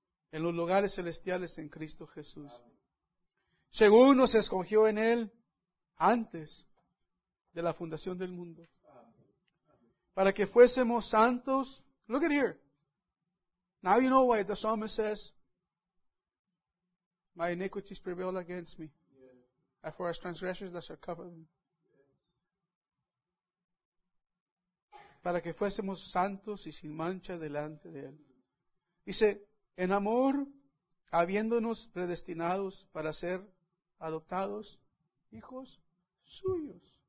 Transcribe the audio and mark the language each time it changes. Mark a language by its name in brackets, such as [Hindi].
[Spanish] En los lugares celestiales en Cristo Jesús. Según nos escogió en Él antes de la fundación del mundo. Para que fuésemos santos. [English] Look at here. Now you know why the psalmist says, my iniquities prevail against me. And for as transgressions that shall cover me. [Spanish] Para que fuésemos santos y sin mancha delante de Él. Dice, en amor, habiéndonos predestinados para ser adoptados hijos suyos.